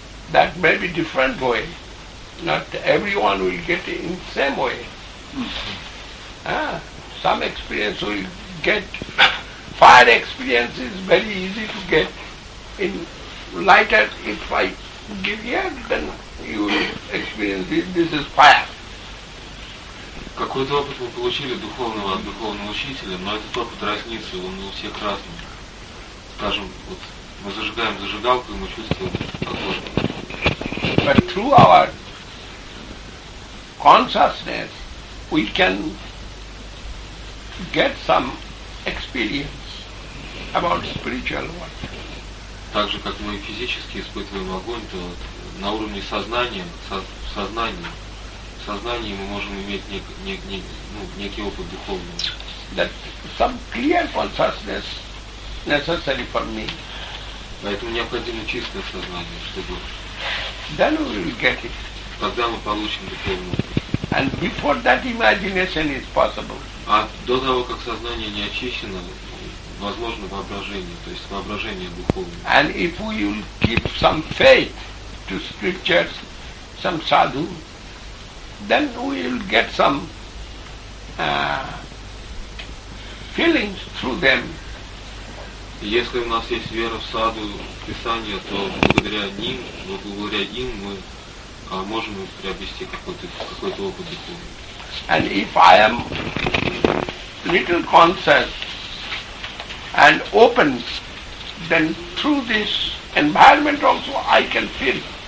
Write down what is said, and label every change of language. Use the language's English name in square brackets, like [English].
[English] That may be different way. Not everyone will get it in the same way. Mm-hmm. Some experience will get, fire experience is very easy to get. In lighter, if I give here, then you will experience it. This is fire. [Russian] Какой-то опыт вы получили духовного от духовного учителя, но этот опыт разнится, он у всех разный. Скажем, вот мы зажигаем зажигалку, и мы чувствуем огонь. [English] But through our consciousness, we can get some experience about spiritual world. [Russian] Так же, как мы физически испытываем огонь, то на уровне сознания мы можем иметь некий опыт духовный. [English] That some clear consciousness necessary for me. [Russian] Поэтому необходимо чистое сознание, чтобы. [English] Then we will get it. [Russian] Тогда мы получим духовную. [English] And before that imagination is possible. [Russian] А до того, как сознание не очищено, возможно воображение, то есть воображение духовное. [English] And if we will keep some faith to scriptures, some sadhu, then we will get some feelings through them. [Russian] Если у нас есть вера в саду, в Писание, то благодаря им мы можем приобрести какой-то опыт духовный. [English] And if I am little conscious and open, then through this environment also I can feel.